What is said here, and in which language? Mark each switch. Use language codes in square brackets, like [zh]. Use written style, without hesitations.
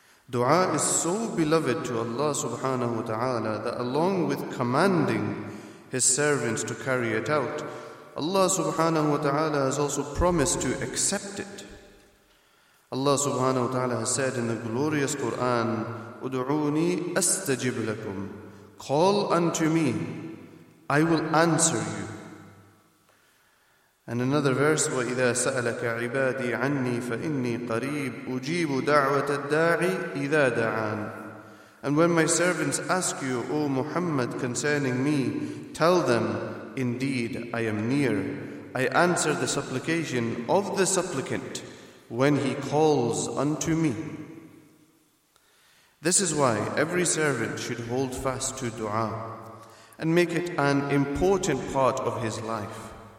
[en] Dua is so beloved to Allah subhanahu wa ta'ala that along with commanding His servants to carry it out, Allah subhanahu wa ta'ala has also promised to accept it. Allah subhanahu wa ta'ala has said in the glorious Quran, [ar] "Ud'uni astajib lakum," [en] call unto me, I will answer you. And another verse, [ar] "وَإِذَا سَأَلَكَ عِبَادِي عَنِّي فَإِنِّي قَرِيبٌ أُجِيبُ دَعْوَةَ الدَّاعِي إِذَا دَعَانِ." [en] And when my servants ask you, O Muhammad, concerning me, tell them, indeed, I am near. I answer the supplication of the supplicant when he calls unto me. This is why every servant should hold fast to dua and make it an important part of his life.